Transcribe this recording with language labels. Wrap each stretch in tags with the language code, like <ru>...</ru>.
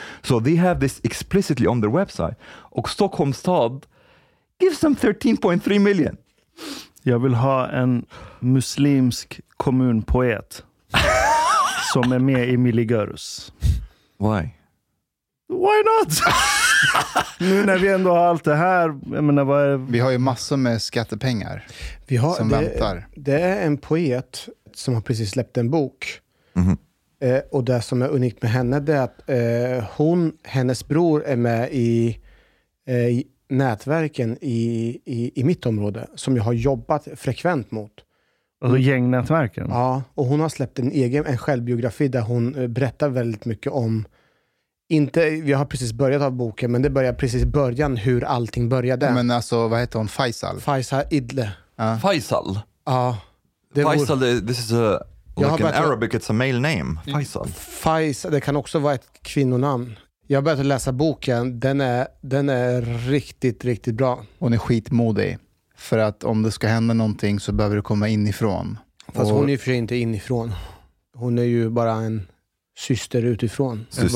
<en>So they have this explicitly on their website.</en> <sv>Och Stockholms stad</sv> <en>gives them 13.3 million.</en> <sv>Jag vill ha en muslimsk kommunpoet som är med i Miligöros.</sv> <en>Why? Why not?</en> <sv>Nu när vi ändå har allt det här, jag menar, vad är... Vi har ju massor med skattepengar vi har, som väntar. Det är en poet som har precis släppt en bok. Mm-hmm. Och det som är unikt med henne är att hennes bror är med i nätverken i mitt område som jag har jobbat frekvent mot. Alltså gängnätverken? Ja, och hon har släppt en självbiografi där hon berättar väldigt mycket om... Inte, vi har precis börjat av boken, men det börjar precis i början hur allting började. Ja, men alltså, vad heter hon? Faisal? Faisal Idle. Faisal? Ja. Det</sv> <en>Faisal, this is like in Arabic, it's a male name. Faisal.</en> <sv>Faisal, det kan också vara ett kvinnonamn. Jag har börjat läsa boken, den är riktigt, riktigt bra. Hon är skitmodig, för att om det ska hända någonting så behöver du komma inifrån. Fast hon är ju för sig inte inifrån. Hon är ju bara en... syster utifrån.</sv>